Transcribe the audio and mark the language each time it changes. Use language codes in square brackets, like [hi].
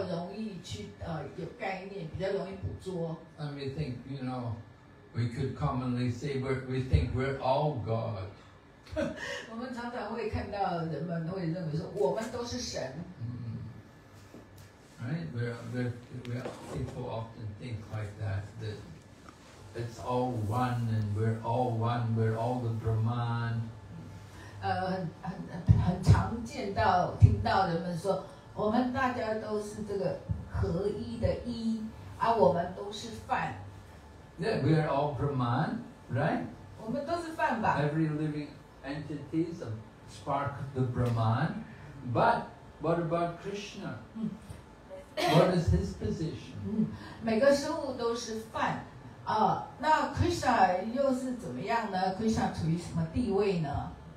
[zh] 要去接触到Krishna非人格的部分是比较容易去有概念，比较容易捕捉。 [en] And we think, you know, we could commonly say we think we're all God. [zh] 我们常常会看到人们会认为说我们都是神。 [en] Right? People often think like that, that it's all one and we're all one, we're all the Brahman. [zh] 很常见到听到人们说，我们大家都是这个合一的一，而我们都是梵。 [en] Yeah, we are all Brahman, right? [zh] 我们都是梵吧。 [en] Every living entity is a spark of the Brahman, but what about Krishna? What is his position? [zh] 每个生物都是梵，那 Krishna 又是怎么样呢？ Krishna 处于什么地位呢？